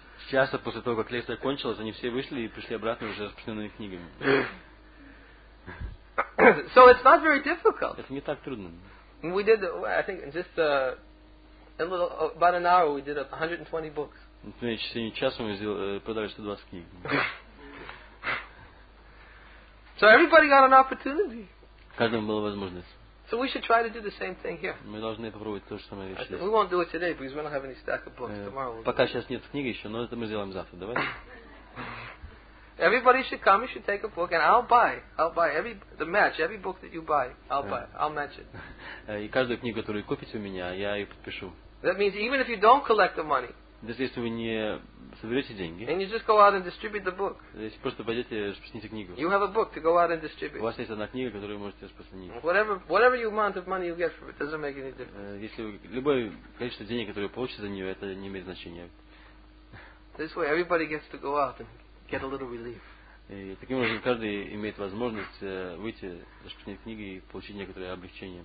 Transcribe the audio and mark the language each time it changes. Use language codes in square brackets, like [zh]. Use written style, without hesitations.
[ru] Часа после того, как лекция кончилась, они все вышли и пришли обратно уже с распечатанными книгами. [en] So it's not very difficult. [ru] Это не так трудно. [en] We did, I think, just a little about an hour. We did 120 books. [ru] Часом мы продали 120 книг. [en] So everybody got an opportunity. [ru] Каждому была возможность. [en] So we should try to do the same thing here. [ru] Мы должны попробовать то же самое вещь. [en] We won't do it today because we don't have any stack of books. Tomorrow. [ru] Пока сейчас нет книг еще, но это мы сделаем завтра. Давай. [en] Everybody should come. You should take a book, and I'll buy every book that you buy. I'll match it. [ru] И каждую книгу, которую купите у меня, я ее подпишу. [en] That means even if you don't collect the money. [ru] Даже если вы не соберете деньги. [en] And you just go out and distribute the book. [ru] Если просто пойдете и распространите книгу. [en] You have a book to go out and distribute. [ru] У вас есть одна книга, которую вы можете распространить. [en] Whatever amount of money you get for it doesn't make any difference. [ru] Если любое количество денег, которое вы получите за нее, это не имеет значения. [en] This way everybody gets to go out and get a little relief. [ru] И таким образом каждый имеет возможность выйти, распространить книги и получить некоторое облегчение.